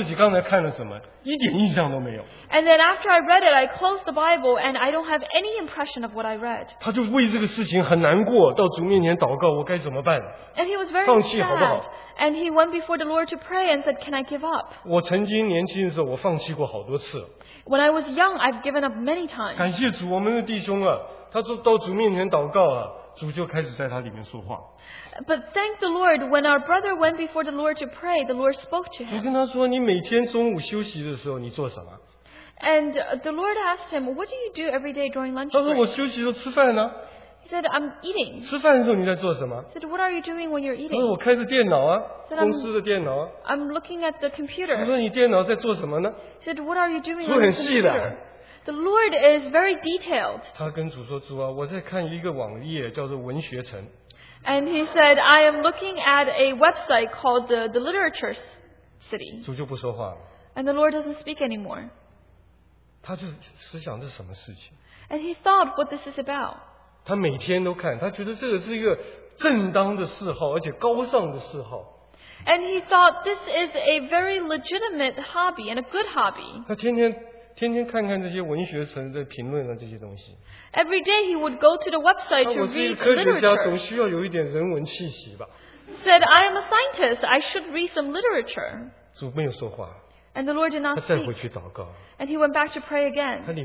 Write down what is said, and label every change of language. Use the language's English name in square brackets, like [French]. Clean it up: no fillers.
[Chinese] 每个字我都读了,读完一关照,我问我自己刚才看了什么,一点印象都没有。 [English] And then after I read it, I closed the Bible and I don't have any impression of what I read. [Chinese] 他就为这个事情很难过,到主面前祷告,我该怎么办? [English] And he was very [Chinese] 放弃好不好? [English] Sad. And he went before the Lord to pray and said, can I give up? [Chinese] 我曾经年轻的时候,我放弃过好多次。 [English] When I was young, I've given up many times. [Chinese] 感谢主,我们的弟兄啊,他就到主面前祷告啊。主就开始在他里面说话。 [English] But thank the Lord, when our brother went before the Lord to pray, the Lord spoke to him. [Chinese] 我跟他说,你每天中午休息的时候,你做什么? [English] And the Lord asked him, what do you do every day during lunch break? [Chinese] 他说,我休息的时候吃饭呢? [English] He said, I'm eating. [Chinese] 吃饭的时候你在做什么? [English] He said, what are you doing when you're eating? [Chinese] 他说,我开着电脑啊, 公司的电脑。 [English] I'm looking at the computer. [Chinese] 他说,你电脑在做什么呢? [English] He said, what are you doing when you're eating? The Lord is very detailed. [Chinese] 他跟主说,主啊,我在看一个网页叫做文学城。 [English] And he said, I am looking at a website called the Literature City. [Chinese] 主就不说话了。 [English] And the Lord doesn't speak anymore. [Chinese] 他就思想这什么事情? [English] And he thought what this is about. [Chinese] 他每天都看,他觉得这个是一个正当的嗜好,而且高尚的嗜好。 [English] And he thought this is a very legitimate hobby and a good hobby. [Chinese] 天天看看这些文学城的评论啊，这些东西。 [English] Every day he would go to the website to read literature. [Chinese] 我是一个科学家，总需要有一点人文气息吧。 [English] Said, I am a scientist. I should read some literature. [Chinese] 主没有说话。 [English] And the Lord did not speak. [Chinese] 他再回去祷告。 [English] And he went back to pray again.